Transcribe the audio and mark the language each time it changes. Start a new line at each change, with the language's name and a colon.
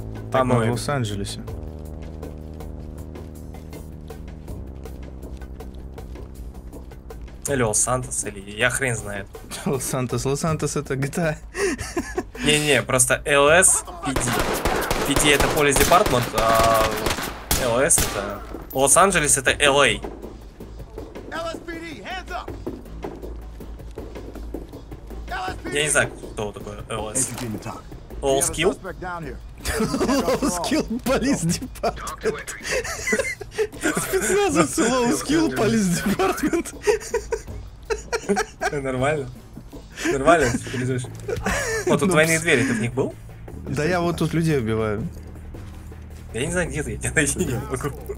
Russian: Там в Лос-Анджелесе. Или Лос-Сантос, или я хрен знает. Лос-Сантос это GTA. Не-не, просто LSPD. PD это Police Department, а LS это... Лос-Анджелес это LA.
English: LSPD, hands up!
Russian: LSPD. Я не знаю, кто такой LS.
English: All Skill?
Russian: Low Skill Police Department. Спецназовцы Low Skill Police Department. Нормально, стилизуешь. Вот тут двойные двери, ты в них был? Да я вот тут людей убиваю. Я не знаю, где ты, я тебя найти не могу.